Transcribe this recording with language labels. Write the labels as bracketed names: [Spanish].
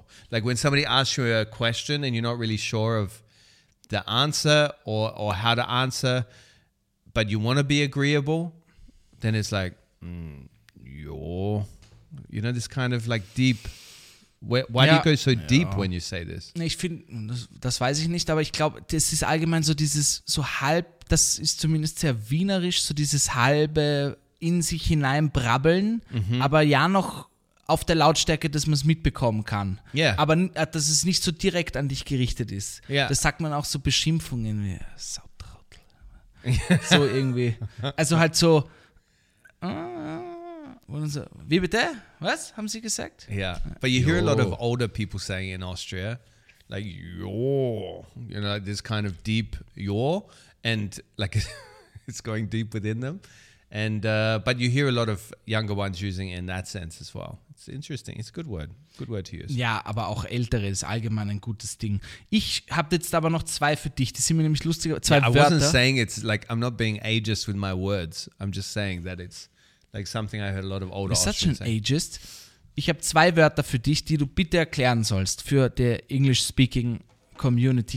[English] Like when somebody asks you a question and you're not really sure of the answer or how to answer, but you want to be agreeable, then it's like, you know, this kind of like deep. Why do you go so deep when you say this? [German] Ich finde, das weiß ich nicht, aber ich glaube, das ist allgemein so dieses, so halb, das ist zumindest sehr wienerisch, so dieses halbe in sich hinein brabbeln, aber ja noch auf der Lautstärke, dass man es mitbekommen kann. [English] Yeah. [German] Aber dass es nicht so direkt an dich gerichtet ist. [English] Yeah. [German] Das sagt man auch so Beschimpfungen wie Sautrottel. So irgendwie. Also halt so. Wie bitte? Was haben Sie gesagt? [English] Yeah, but you hear a lot of older people saying in Austria, like you know, like this kind of deep "your" and like it's going deep within them. And but you hear a lot of younger ones using it in that sense as well. It's interesting. It's a good word. Good word to use. [German] Ja, aber auch Ältere ist allgemein ein gutes Ding. Ich habe jetzt aber noch zwei für dich. Die sind mir nämlich lustiger. Zwei Wörter. [English] I wasn't saying it's like I'm not being ageist with my words. I'm just saying that it's like something I heard a lot of older Austrians saying. Such an ageist. [German] Ich habe zwei Wörter für dich, die du bitte erklären sollst für die English-speaking Community.